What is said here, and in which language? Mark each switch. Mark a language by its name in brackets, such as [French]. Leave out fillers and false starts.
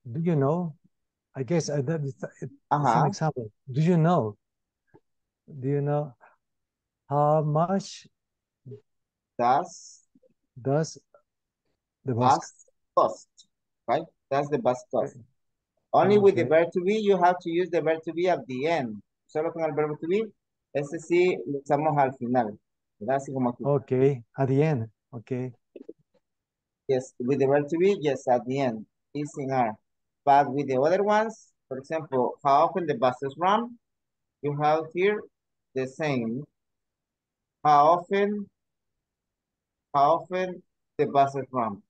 [English] Do you know? I guess that's an example. Do you know? Do you know how much does the bus cost? Right? That's the bus cost. Only with the verb to be, you have to use the verb to be at the end. [Spanish] Solo con el verbo to be, ese sí lo usamos al final. ¿Verdad? Así como aquí. [English] Okay, at the end. Okay. Yes, with the verb to be, yes, at the end. Is in R. But with the other ones, for example, how often the buses run? You have here the same. How often the buses run?